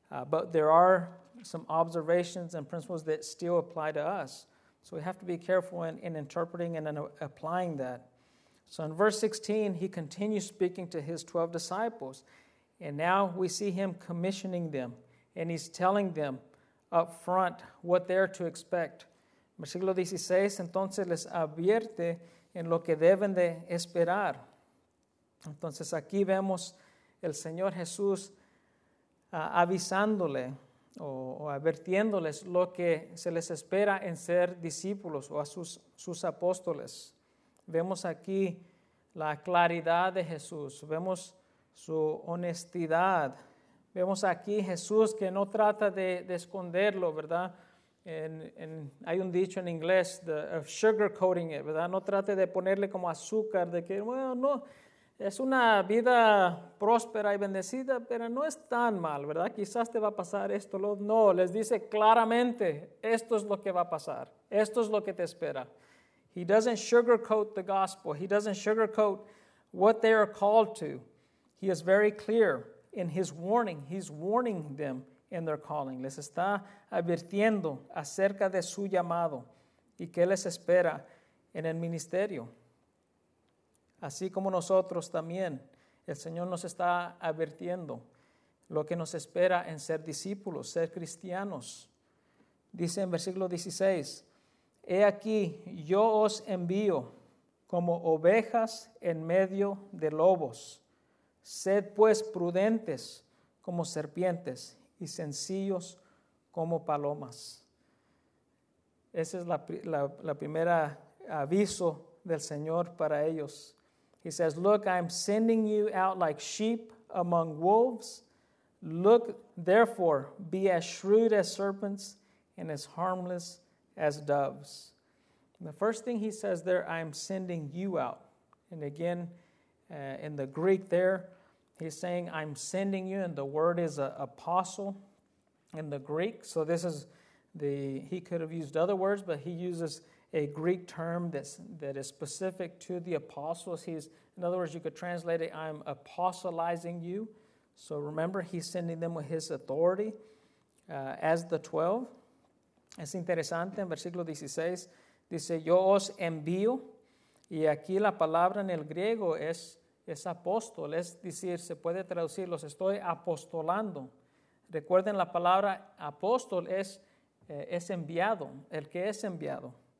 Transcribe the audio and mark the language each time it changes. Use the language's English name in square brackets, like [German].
[English] But there are some observations and principles that still apply to us. So we have to be careful in interpreting and in applying that. So in verse 16, he continues speaking to his 12 disciples. And now we see him commissioning them. and he's telling them up front what they're to expect. [Spanish] Versículo 16, entonces les advierte en lo que deben de esperar. Entonces aquí vemos el Señor Jesús avisándole o advirtiéndoles lo que se les espera en ser discípulos o a sus apóstoles. Vemos aquí la claridad de Jesús, vemos su honestidad. Vemos aquí Jesús que no trata de esconderlo, ¿verdad? Hay un dicho en inglés, [English] of sugarcoating it, [Spanish] ¿verdad? No trate de ponerle como azúcar, de que, bueno, no, es una vida próspera y bendecida, pero no es tan mal, ¿verdad? Quizás te va a pasar esto, lo no, les dice claramente, esto es lo que va a pasar, esto es lo que te espera. [English] He doesn't sugarcoat the gospel, he doesn't sugarcoat what they are called to. He is very clear in his warning, he's warning them in their calling. [Spanish] Les está advirtiendo acerca de su llamado y qué les espera en el ministerio. Así como nosotros también, el Señor nos está advirtiendo lo que nos espera en ser discípulos, ser cristianos. Dice en versículo 16, he aquí, yo os envío como ovejas en medio de lobos. Sed pues prudentes como serpientes y sencillos como palomas. Ese es la primera aviso del Señor para ellos. [English] He says, look, I'm sending you out like sheep among wolves. Look, therefore, be as shrewd as serpents and as harmless as doves. And the first thing he says there, I'm sending you out. And again, in the Greek there, he's saying, I'm sending you, and the word is apostle in the Greek. So this is he could have used other words, but he uses a Greek term that is specific to the apostles. In other words, you could translate it, I'm apostolizing you. So remember, he's sending them with his authority as the 12. [Spanish] Es interesante, en versículo 16, dice, yo os envío. Y aquí la palabra en el griego es apóstol, es decir, se puede traducir, los estoy apostolando. Recuerden, la palabra apóstol es enviado, el que es enviado.